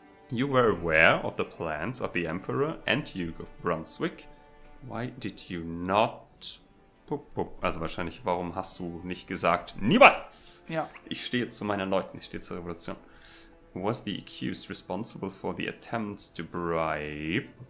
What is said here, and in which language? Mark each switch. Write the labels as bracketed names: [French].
[English] You were aware of the plans of the Emperor and Duke of Brunswick. Why did you not... [German] Also wahrscheinlich, warum hast du nicht gesagt, niemals? Ja. Ich stehe zu meinen Leuten, ich stehe zur Revolution. [English] Was the accused responsible for the attempts to bribe...